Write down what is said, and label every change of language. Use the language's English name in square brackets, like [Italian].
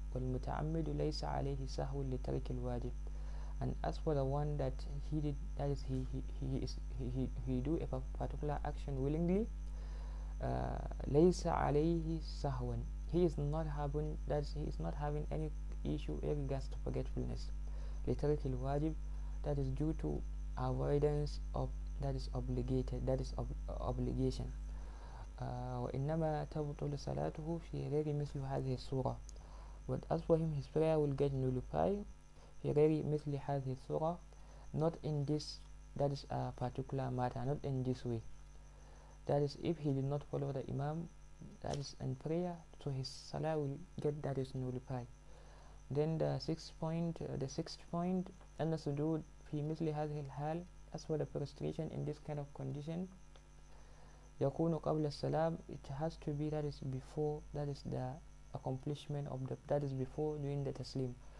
[Arabic] والمتعمد ليس عليه سهو لترك الواجب. [English] And as for the one that he did, that is he do a particular action willingly, [Arabic] ليس عليه سهو. [English] He is not having any issue in regards to forgetfulness. [Arabic] لترك الواجب, [English] that is due to avoidance of obligation. [Arabic] وإنما تبطل صلاته في غير مثل هذه الصورة. [English] But as for him, his prayer will get nullified [Arabic] في غير مثل هذه الصورة. [English] Not in this, that is a particular matter, not in this way. That is, if he did not follow the imam, that is in prayer, so his salah will get, that is, nullified. Then the sixth point, [Arabic] أن السجود في مثل هذه الحال, [English] as for the prostration in this kind of condition, [Arabic] يكون قبل السلام, [English] it has to be, that is, before, that is, the accomplishment of the, that is, before doing the taslim.